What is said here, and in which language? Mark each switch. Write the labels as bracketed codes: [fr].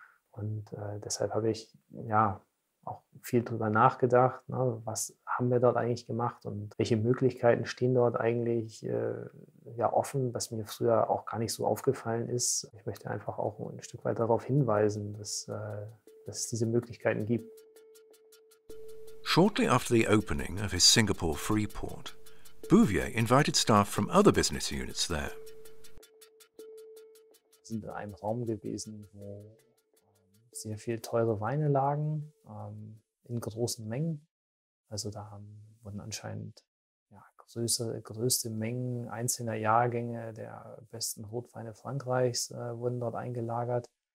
[de] Und deshalb habe ich auch viel drüber nachgedacht, ne, was haben wir dort eigentlich gemacht und welche Möglichkeiten stehen dort eigentlich offen, was mir früher auch gar nicht so aufgefallen ist. Ich möchte einfach auch ein Stück weit darauf hinweisen, dass es diese Möglichkeiten gibt. [en] Shortly after the opening of his Singapore Freeport, Bouvier invited staff from other business units there. [de] Wir sind in einem Raum gewesen, wo sehr viel teure Weine lagen, in großen Mengen. Also da wurden anscheinend größte Mengen einzelner Jahrgänge der besten Rotweine Frankreichs wurden dort eingelagert.